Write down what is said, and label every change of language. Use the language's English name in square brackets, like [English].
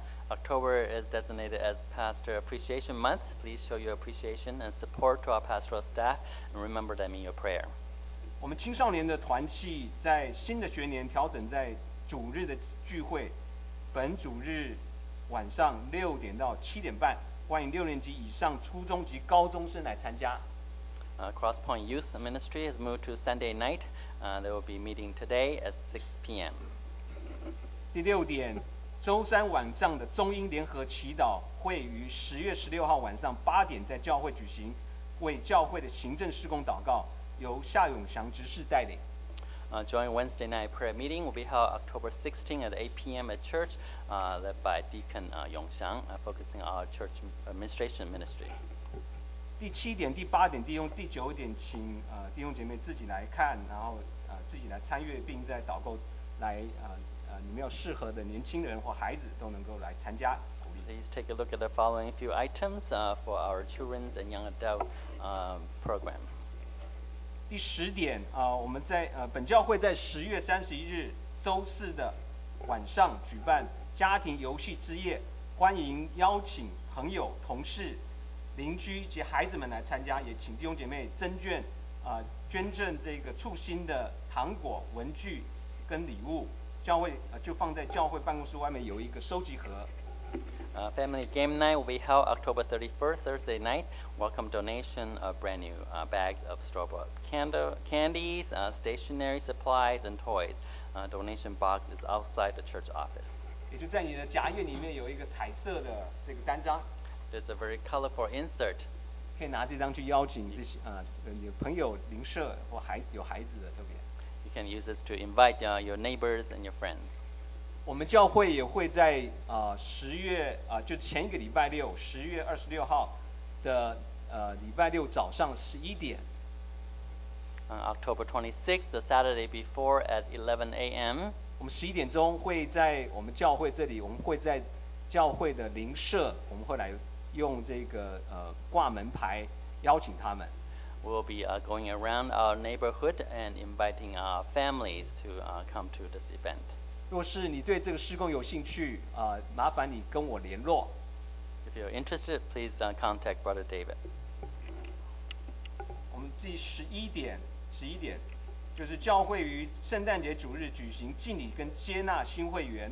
[English] October is designated as Pastor Appreciation Month. Please show your appreciation and support to our pastoral staff and remember them in your prayer. [Chinese] 我们青少年的团契在新的学年调整在主日的聚会，本主日晚上6:00-7:30，欢迎六年级以上初中及高中生来参加。 [English] Crosspoint Youth Ministry has moved to Sunday night. There will be meeting today at 6 p.m. [Chinese] 第六点，周三晚上的中英联合祈祷会于10月16日晚上8:00在教会举行，为教会的行政事工祷告，由夏永祥执事带领。 [English] Joint Wednesday night prayer meeting will be held October 16 at 8 p.m. at church, led by Deacon Yongxiang, focusing on our church administration ministry. [Chinese] 第七点、第八点、第九点，请弟兄姐妹自己来看，然后自己来参与，并在祷告来你们要适合的年轻人或孩子都能够来参加。 [English] Please take a look at the following few items for our children's and young adult program. [Chinese] 第十点我们在本教会在10月31日周四的晚上举办家庭游戏之夜，欢迎邀请朋友、同事、邻居及孩子们来参加，也请弟兄姐妹捐赠这个促薪的糖果、文具跟礼物。教会就放在教会办公室外面有一个收集盒。 [English] Family game night will be held October 31st, Thursday night. Welcome donation of brand new bags of strawberry candies, stationery supplies, and toys. Donation box is outside the church office. [Chinese] 也就在你的夹页里面有一个彩色的这个单张。 [English] It's a very colorful insert. [Chinese] 可以拿这张去邀请这些你的朋友、邻舍或孩有孩子的特别。 [English] You can use this to invite your neighbors and your friends. [Chinese] 我们教会也会在十月就前一个礼拜六，10月26号的礼拜六早上11点。 [English] On October 26th, the Saturday before at 11 a.m. [Chinese] 我们十一点钟会在我们教会这里，我们会在教会的邻舍，我们会来用这个挂门牌邀请他们。 [English] We'll be going around our neighborhood and inviting our families to come to this event. [Chinese] 若是你对这个事工有兴趣，麻烦你跟我联络。 [English] If you're interested, please contact Brother David. [Chinese] 我们第十一点，就是教会于圣诞节主日举行敬礼跟接纳新会员。